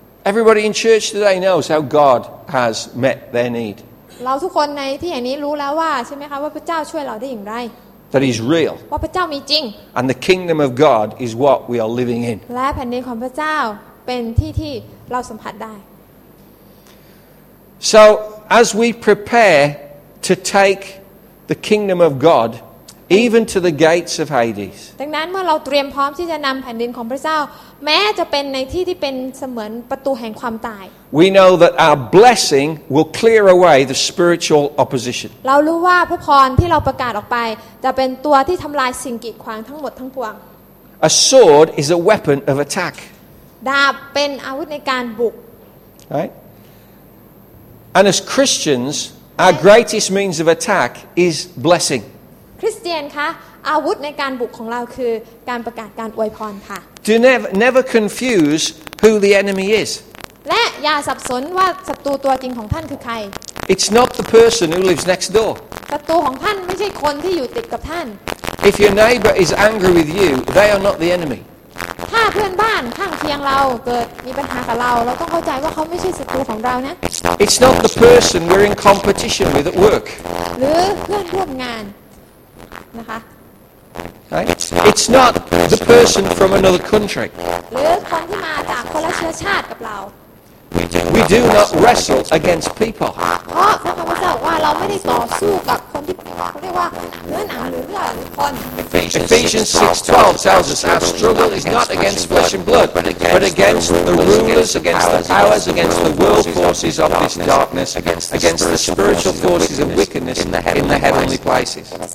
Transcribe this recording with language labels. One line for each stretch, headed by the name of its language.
English: Everybody in church today knows how God has met their need.
Thai: เราทุกคนในที่แห่งนี้รู้แล้วว่าใช่ไหมคะว่าพระเจ้าช่วยเราได้อย่างไร
English: That is real.
Thai: ว่าพระเจ้ามีจริง
English: And the kingdom of God is what we are living in.
Thai: และแผ่นดินของพระเจ้าเป็นที่ที่เราสัมผัสได้
English: So as we prepare to take the kingdom of God even to the gates of Hades.
Thai: ดังนั้นเมื่อเราเตรียมพร้อมที่จะนำแผ่นดินของพระเจ้าแม้จะเป็นในที่ที่เป็นเสมือนประตูแห่งความตาย
English: We know that our blessing will clear away the spiritual opposition.
Thai: เรารู้ว่าพระพรที่เราประกาศออกไปจะเป็นตัวที่ทำลายสิ่งกีดขวางทั้งหมดทั้งปวง
English: A sword is a weapon of attack.
Thai: ดาบเป็นอาวุธในการบุก
English: Right? And as Christians, our greatest means of attack is blessing.
Thai: คริสเตียนคะอาวุธในการบุกของเราคือการประกาศการอวยพรค่ะ
English: Do never confuse who the enemy is.
Thai: และอย่าสับสนว่าศัตรูตัวจริงของท่านคือใคร
English: It's not the person who lives next door
Thai: ศัตรูของท่านไม่ใช่คนที่อยู่ติดกับท่าน
English: If your neighbor is angry with you they are not the enemy
Thai: ถ้าเพื่อนบ้านข้างเคียงเราเกิดมีปัญหากับเราเราต้องเข้าใจว่าเขาไม่ใช่ศัตรูของเรานะ
English: It's not the person we're in competition with at work
Thai: หรือเพื่อนร่วมงานนะคะ
English: Right? It's not the person from another country.
Thai: หรือคนที่มาจากคนละเชื้อชาติกับเรา
English: We do not wrestle against people.
Thai: เพราะพระคัมภีร์บอกว่าเราไม่ได้ต่อสู้กับคนที่เรียกว่าเนื้อหนังหรือเลือดคน
English: Ephesians 6:12 tells us our struggle is not against flesh and blood, but against the rulers, against the powers, against the world forces of this darkness, against the spiritual forces of wickedness in the heavenly places.